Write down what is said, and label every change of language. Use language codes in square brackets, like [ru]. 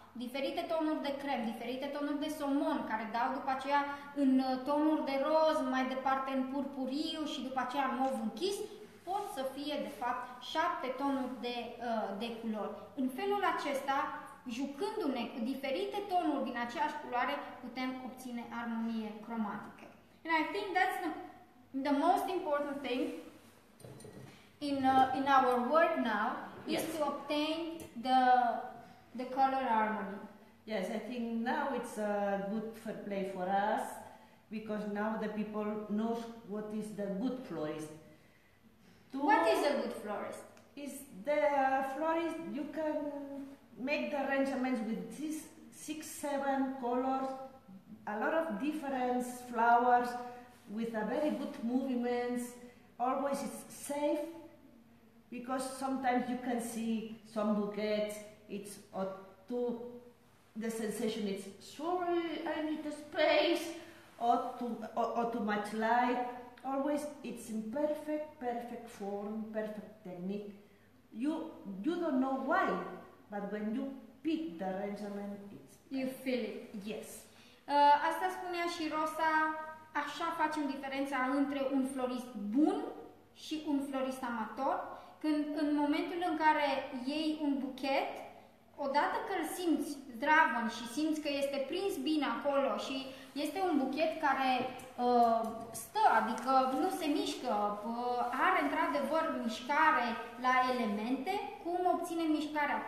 [ro] Diferite tonuri de crem, diferite tonuri de somon, care dau după aceea în tonuri de roz, mai departe în purpuriu și după aceea în mov închis, pot să fie, de fapt, 7 tonuri de culori. În felul acesta, jucându-ne cu diferite tonuri din aceeași culoare, putem obține armonie cromatică. [en] And I think that's the most important thing in our work now, is to obtain the color harmony. Yes, I think now it's a good for play for us, because now the people know what is the good florist. What is a good florist? Is the florist, you can make the arrangements with these 6, 7 colors, a lot of different flowers, with a very good movements, always it's safe, because sometimes you can see some bouquets, it's or too, the sensation is, sorry, I need a space, or too much light. Always, it's in perfect form, perfect technique. You don't know why, but when you pick the arrangement, it's perfect. You feel it. Yes. [ro] Asta spunea și Rosa, așa facem diferența între un florist bun și un florist amator. Când în momentul în care iei un buchet, odată că îl simți zdravăn și simți că este prins bine acolo și este un buchet care stă, adică nu se mișcă, are într-adevăr mișcare la elemente, cum obține mișcarea?